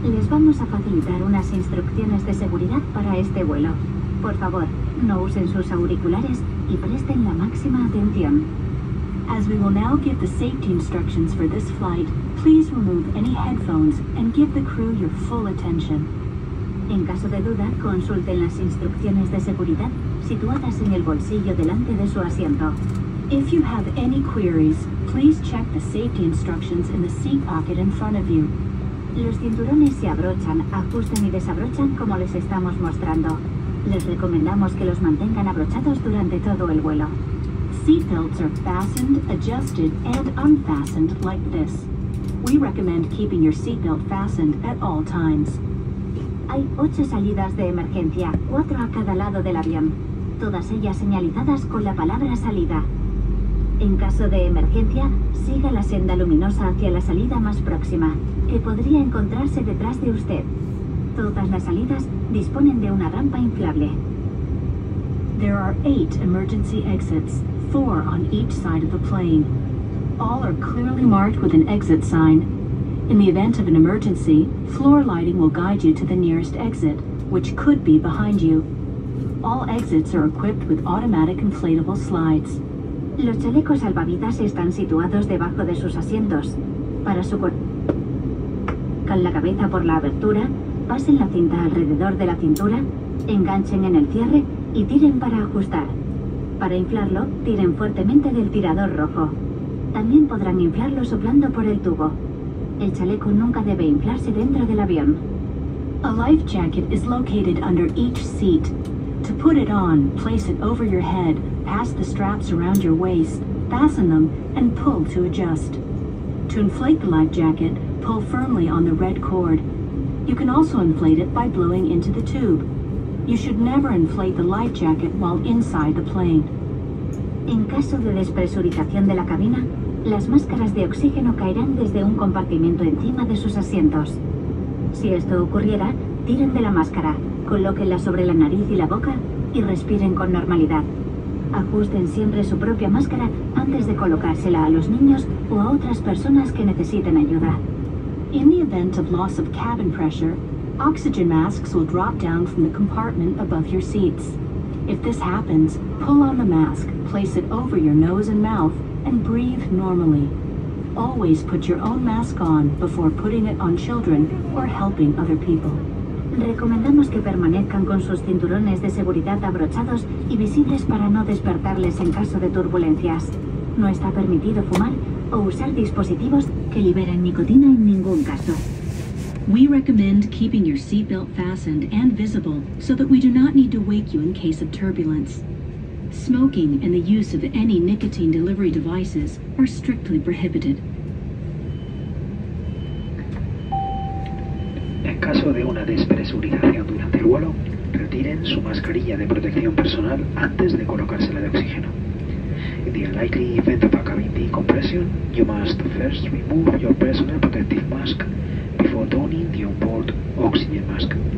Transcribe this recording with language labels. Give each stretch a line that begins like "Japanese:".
Spanish: Vamos a facilitar unas instrucciones de seguridad para este vuelo. Por favor, no usen sus auriculares y presten la máxima atención.
English: As we will now give the safety instructions for this flight, please remove any headphones and give the crew your full attention.
Spanish: En caso de duda, consulten las instrucciones de seguridad situadas en el bolsillo delante de su asiento.
English: If you have any queries, please check the safety instructions in the seat pocket in front of you.
Spanish: Los cinturones se abrochan, ajustan y desabrochan como les estamos mostrando. Les recomendamos que los mantengan abrochados durante todo el vuelo.
English: Seat belts are fastened, adjusted, and unfastened like this. We recommend keeping your seat belt fastened at all times.
Spanish: Hay 8 salidas de emergencia, 4 a cada lado del avión. Todas ellas señalizadas con la palabra salida. En caso de emergencia, siga la senda luminosa hacia la salida más próxima, que podría encontrarse detrás de usted. Todas las salidas disponen de una rampa inflable.
English: There are 8 emergency exits, 4 on each side of the plane. All are clearly marked with an exit sign. In the event of an emergency, floor lighting will guide you to the nearest exit, which could be behind you. All exits are equipped with automatic inflatable slides.
Spanish: Los chalecos salvavidas están situados debajo de sus asientos. Para su con la cabeza por la abertura, pasen la cinta alrededor de la cintura, enganchen en el cierre y tiren para ajustar. Para inflarlo, tiren fuertemente del tirador rojo. También podrán inflarlo soplando por el tubo. El chaleco nunca debe inflarse dentro del avión.
English: A life jacket is located under each seat. To put it on, place it over your head, pass the straps around your waist, fasten them, and pull to adjust. To inflate the life jacket, pull firmly on the red cord. You can also inflate it by blowing into the tube. You should never inflate the life jacket while inside the plane.
Spanish: En caso de despresurización de la cabina, las máscaras de oxígeno caerán desde un compartimento encima de sus asientos. Si esto ocurriera, tiren de la máscara, colóquenla sobre la nariz y la boca y respiren con normalidad. Ajusten siempre su propia máscara antes de colocársela a los niños o a otras personas que necesiten ayuda.
English: In the event of loss of cabin pressure, oxygen masks will drop down from the compartment above your seats. If this happens, pull on the mask, place it over your nose and mouth, and breathe normally. Always put your own mask on before putting it on children or helping other people.
Spanish: Recomendamos que permanezcan con sus cinturones de seguridad abrochados y visibles para no despertarles en caso de turbulencias. No está permitido fumar o usar dispositivos que liberen nicotina en ningún caso.
English: We recommend keeping your seatbelt fastened and visible so that we do not need to wake you in case of turbulence. Smoking and the use of any nicotine delivery devices are strictly prohibited.
Spanish: En caso de una despresurización durante el vuelo, retiren su mascarilla de protección personal antes de colocársela de oxígeno.
English: In the unlikely event of a cabin decompression, you must first remove your personal protective mask before donning the onboard oxygen mask.